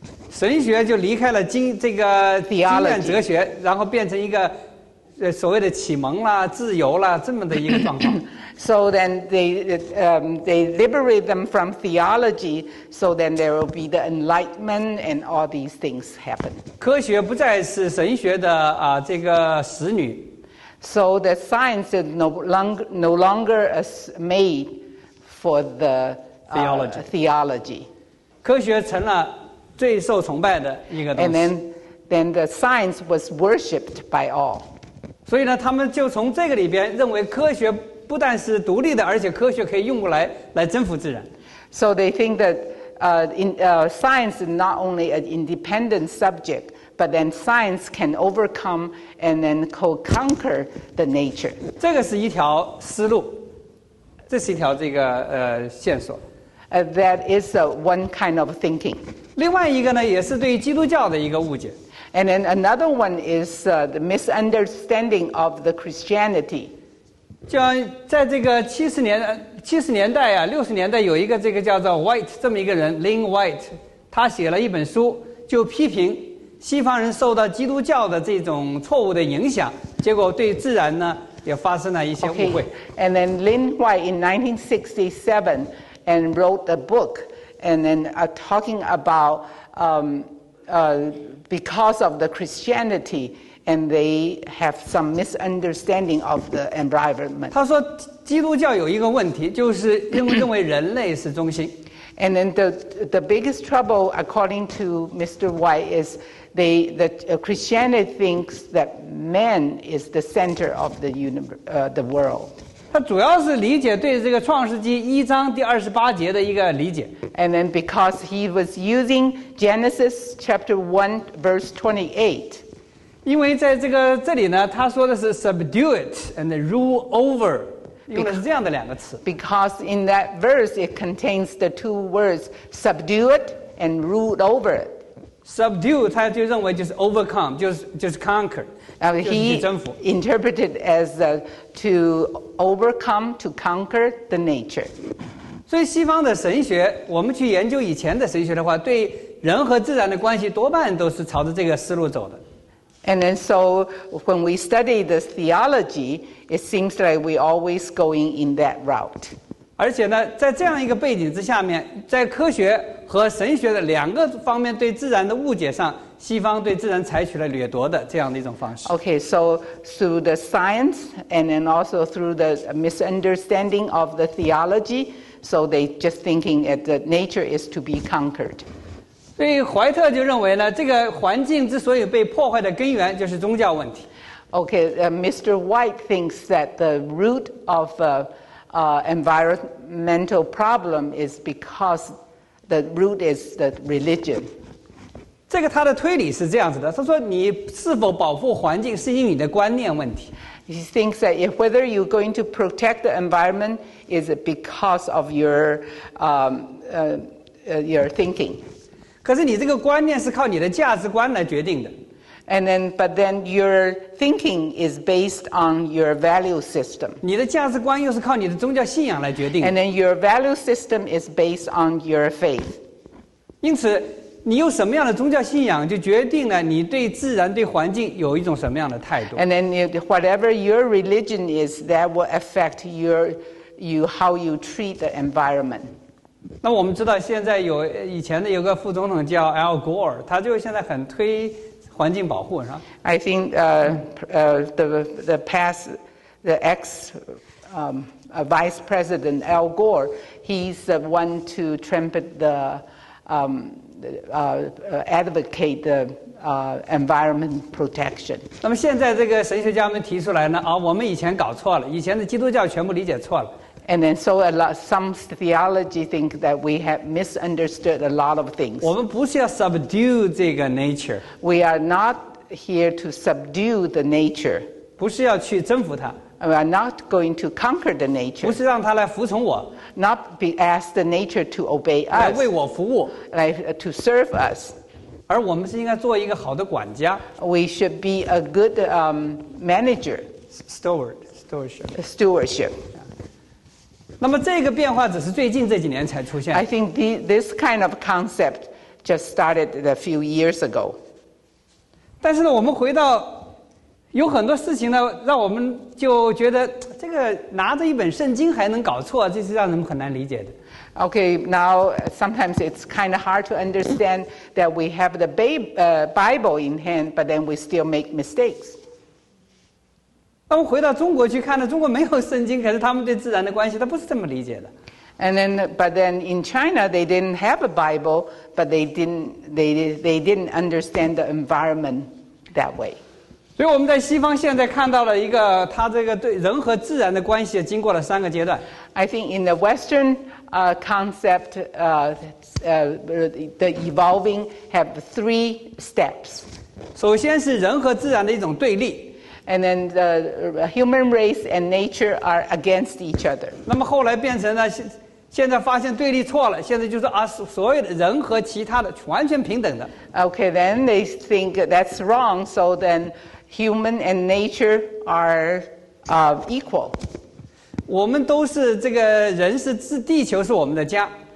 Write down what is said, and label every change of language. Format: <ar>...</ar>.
<zh>神学就离开了经验哲学，然后变成一个所谓的启蒙啦、自由啦这么的一个状况。</zh> <en>So then they liberate them from theology, so then there will be the enlightenment and all these things happen.</en> <zh>科学不再是神学的这个使女。</zh> <en>So the science is no longer a maid for the theology.</en> <zh>科学成了最受崇拜的一个东西。</zh> <en>And then the science was worshipped by all.</en> <zh>所以呢，他们就从这个里边认为科学。不但是独立的，而且科学可以用过来征服自然。</zh> <en>So they think that science is not only an independent subject, but then science can overcome and then conquer the nature.</en> <zh>这个是一条思路，这是一条这个线索。</zh> <en>That is one kind of thinking.</en> <zh>另外一个呢，也是对基督教的一个误解。</zh> <en>And then another one is the misunderstanding of the Christianity.</en> <zh>像在这个70年代啊，60年代有一个这个叫做 White 这么一个人 ，Lin White， 他写了一本书，就批评西方人受到基督教的这种错误的影响，结果对自然呢也发生了一些误会。</zh> <en>Okay. And then Lin White in 1967 and wrote a book and then talking about because of the Christianity and they have some misunderstanding of the environment.</en> <zh>他说基督教有一个问题，就是认为人类是中心。</zh> <en>And then the biggest trouble, according to Mr. White, is Christianity thinks that man is the center of the universe, the world.</en> <zh>他主要是理解对这个《创世纪》一章第二十八节的一个理解。</zh> <en>And then because he was using Genesis chapter 1, verse 28.</en> <zh>因为在这里呢，他说的是</zh> <en>subdue it and rule over. Because in that verse, it contains the two words, subdue it and rule over it.</en> <zh>Subdue, 他就认为就是 overcome, 就是 conquer, 就是征服。</zh> <en>He interpreted as to overcome, to conquer the nature.</en> <zh>所以西方的神学，我们去研究以前的神学的话，对人和自然的关系多半都是朝着这个思路走的。</zh> <en>And then so when we study the theology, it seems like we're always going in that route.</en> <zh>而且呢，在这样一个背景之下面，在科学和神学的两个方面对自然的误解上，西方对自然采取了掠夺的这样的一种方式。</zh> <en>Okay, so through the science and then also through the misunderstanding of the theology, so they just thinking that nature is to be conquered.</en> <zh>所以怀特就认为呢，这个环境之所以被破坏的根源就是宗教问题。</zh> <en>Okay, Mr. White thinks that the root of environmental problem is because the root is the religion.</en> <zh>这个他的推理是这样子的，他说你是否保护环境是因为你的观念问题。</zh> <en>He thinks that if whether you're going to protect the environment is because of your thinking.</en> <zh>可是你这个观念是靠你的价值观来决定的。</zh> <en>And then, but then your thinking is based on your value system.</en> <zh>你的价值观又是靠你的宗教信仰来决定的。</zh> <en>And then your value system is based on your faith.</en> <zh>因此，你有什么样的宗教信仰，就决定了你对自然、对环境有一种什么样的态度。</zh> <en>And then whatever your religion is, that will affect how you treat the environment.</en> <zh>那我们知道现在有以前的有个副总统叫 Al Gore， 他就现在很推环境保护，是吧</zh> <en>？I think Vice President Al Gore, he's the one to trumpet advocate the environment protection.</en> <zh>那么现在这个神学家们提出来呢，啊，我们以前搞错了，以前的基督教全部理解错了。</zh> <en>And then so a lot, some theology think that we have misunderstood a lot of things.</en> <zh>我们不是要 subdue 这个 nature.</zh> <en>We are not here to subdue the nature.</en> <zh>不是要去征服它。</zh> <en>We are not going to conquer the nature.</en> <zh>不是让它来服从我。</zh> <en>Not be ask the nature to obey us.</en> <zh>来为我服务。</zh> <en>Like, to serve us.</en> <zh>而我们是应该做一个好的管家。</zh> <en>We should be a good manager. Stewardship.</en> <zh>那么这个变化只是最近这几年才出现。</zh> <en>I think this kind of concept just started a few years ago.</en> <zh>但是呢，我们回到有很多事情呢，让我们就觉得这个拿着一本圣经还能搞错，这是让人们很难理解的。</zh> <en>Okay, now sometimes it's kind of hard to understand that we have the Bible in hand, but then we still make mistakes.</en> <zh>那么回到中国去看呢，中国没有圣经，可是他们对自然的关系，他不是这么理解的。</zh> <en>And then, but then in China, they didn't have a Bible, but they didn't understand the environment that way.</en> <zh>所以我们在西方现在看到了一个，他这个对人和自然的关系经过了三个阶段。</zh> <en>I think in the Western concept, the evolving have three steps.</en> <zh>首先是人和自然的一种对立。</zh> <en>And then the human race and nature are against each other.</en> <zh>那么后来变成了现在发现对立错了，现在就是啊，所有的人和其他的完全平等的。</zh> <en>Okay, then they think that's wrong. So then, human and nature are equal.</en> <zh>我们都是这个人是自地球是我们的家。</zh>